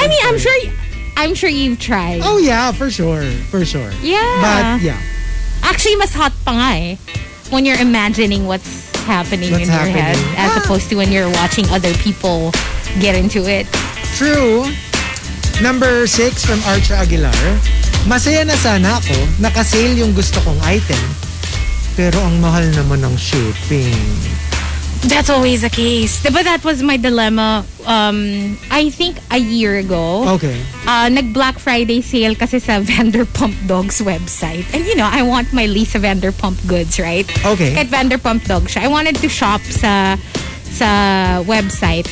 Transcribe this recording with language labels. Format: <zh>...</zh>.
<en>I mean, I'm sure you've tried. Oh yeah, for sure. Yeah. But yeah. Actually,</en> <tl>mas hot pa nga eh,</tl> <en>when you're imagining what's happening in your head, as opposed to when you're watching other people get into it. True. Number 6 from Archer Aguilar.</en> <tl>Masaya na sana ako, naka-sale yung gusto kong item, pero ang mahal naman ng shipping.</tl> <en>That's always the case. But that was my dilemma, I think a year ago. Okay.</en> <tl>Nag-Black Friday sale kasi sa Vanderpump Dog's website.</tl> <en>And you know, I want my Lisa Vanderpump goods, right? Okay.</en> <tl>Kahit Vanderpump Dog siya.</tl> <en>I wanted to shop</en> <tl>sa website.</tl>